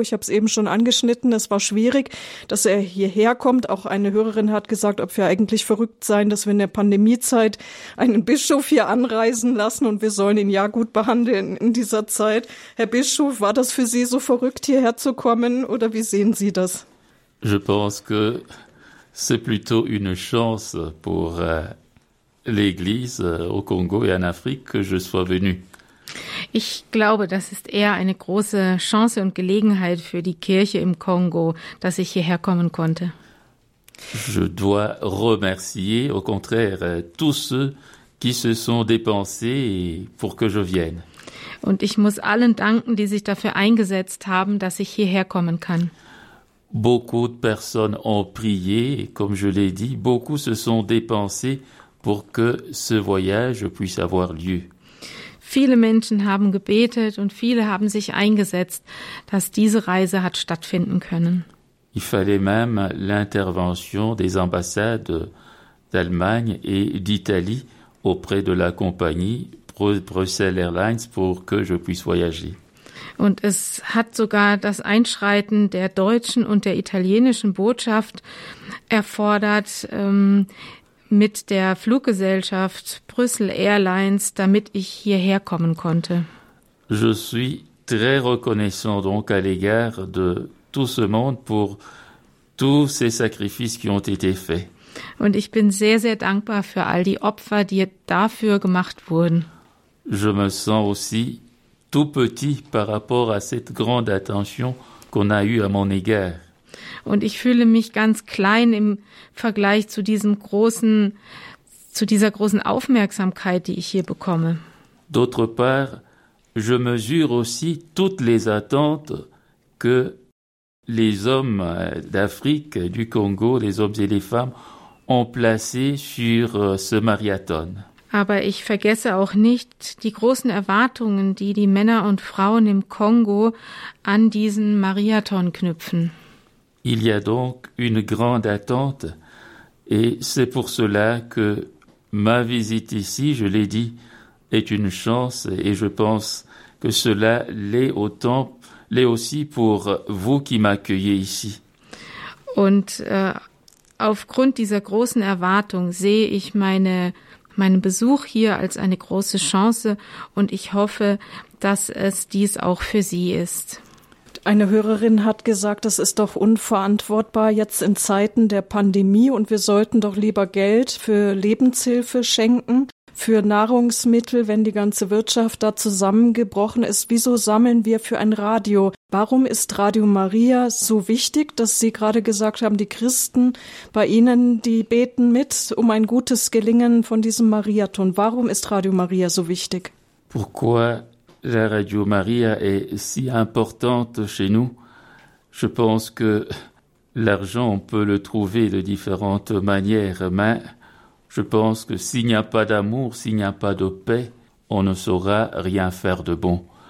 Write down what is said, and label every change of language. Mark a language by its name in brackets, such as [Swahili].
[German] Ich habe es eben schon angeschnitten, es war schwierig, dass er hierher kommt. Auch eine Hörerin hat gesagt, ob wir eigentlich verrückt seien, dass wir in der Pandemiezeit einen Bischof hier anreisen lassen und wir sollen ihn ja gut behandeln in dieser Zeit. Herr Bischof, war das für Sie so verrückt, hierher zu kommen oder wie sehen Sie das? [French] Je pense que c'est plutôt une chance pour l'Église au Congo et en Afrique que je sois venu. [German] Ich glaube, das ist eher eine große Chance und Gelegenheit für die Kirche im Kongo, dass ich hierher kommen konnte. [French] Je dois remercier au contraire tous ceux qui se sont dépensés pour que je vienne. [German] Und ich muss allen danken, die sich dafür eingesetzt haben, dass ich hierher kommen kann. [French] Beaucoup de personnes ont prié, comme je l'ai dit, beaucoup se sont dépensés pour que ce voyage puisse avoir lieu. [German] Viele Menschen haben gebetet und viele haben sich eingesetzt, dass diese Reise hat stattfinden können. [French] Il fallait même l'intervention des ambassades d'Allemagne et d'Italie auprès de la compagnie Brussels Airlines pour que je puisse voyager. [German] Und es hat sogar das Einschreiten der deutschen und der italienischen Botschaft erfordert, mit der Fluggesellschaft Brüssel Airlines, damit ich hierher kommen konnte. [French] Je suis très reconnaissant donc à l'égard de tout ce monde pour tous ces sacrifices qui ont été faits. [German] Und ich bin sehr, sehr dankbar für all die Opfer, die dafür gemacht wurden. [French] Je me sens aussi tout petit par rapport à cette grande attention qu'on a eue à mon égard. [German] Und ich fühle mich ganz klein im Vergleich zu diesem großen, zu dieser großen Aufmerksamkeit, die ich hier bekomme. [French] D'autre part, je mesure aussi toutes les attentes que les hommes d'Afrique, du Congo, les hommes et les femmes ont placées sur ce marathon. [German] Aber ich vergesse auch nicht die großen Erwartungen, die die Männer und Frauen im Kongo an diesen Mariathon knüpfen. [French] Il y a donc une grande attente et c'est pour cela que ma visite ici, je l'ai dit, est une chance et je pense que cela l'est autant, l'est aussi pour vous qui m'accueillez ici. [German] Und aufgrund dieser großen Erwartung sehe ich meinen Besuch hier als eine große Chance und ich hoffe, dass es dies auch für Sie ist. Eine Hörerin hat gesagt, es ist doch unverantwortbar jetzt in Zeiten der Pandemie und wir sollten doch lieber Geld für Lebenshilfe schenken, für Nahrungsmittel, wenn die ganze Wirtschaft da zusammengebrochen ist. Wieso sammeln wir für ein Radio? Warum ist Radio Maria so wichtig, dass Sie gerade gesagt haben, die Christen bei Ihnen, die beten mit um ein gutes Gelingen von diesem Mariathon? Warum ist Radio Maria so wichtig? [French] Pourquoi la Radio Maria est si importante chez nous? Je pense que l'argent, on peut le trouver de différentes manières, mais je pense que s'il n'y a pas d'amour, s'il n'y a pas de paix, on ne saura rien faire de bon.